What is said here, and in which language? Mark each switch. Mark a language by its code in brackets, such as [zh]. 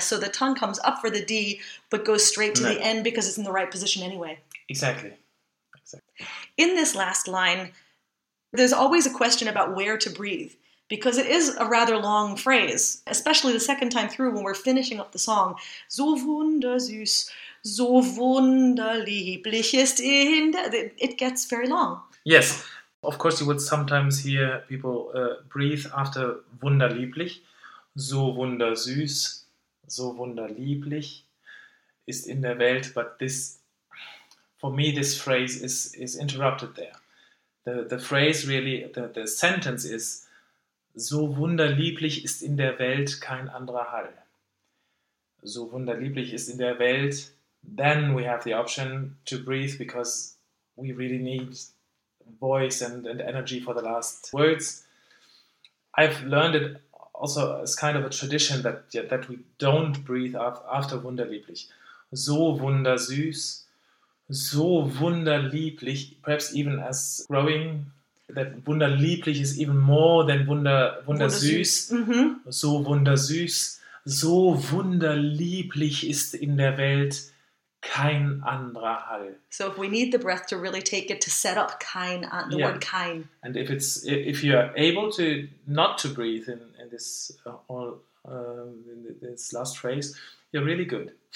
[en] So the tongue comes up for the D, but goes straight to the N because it's in the right position anyway. Exactly. In this last line, there's always a question about where to breathe, because it is a rather long phrase, especially the second time through when we're finishing up the song. [de] So wundersüß, so wunderlieblich ist in der... [en] It gets very long. Yes. Of course, you would sometimes hear people breathe after wunderlieblich. [de] So wundersüß, so wunderlieblich ist in der Welt. [en] But this, for me, this phrase is interrupted there. The phrase really, the sentence is, [de] so wunderlieblich ist in der Welt kein anderer Hall. So wunderlieblich ist in der Welt. [en] Then we have the option to breathe because we really need voice and energy for the last words. I've learned it also it's kind of a tradition that we don't breathe after wunderlieblich. [de] So wundersüß, so wunderlieblich, [en] perhaps even as growing, that wunderlieblich is even more than wundersüß. Mm-hmm. [de] So wundersüß, so wunderlieblich ist in der Welt kein anderer Hall. [en] So if we need the breath to really take it to set up kein, the word kein. And if you're able to not to breathe in this last phrase, you're really good.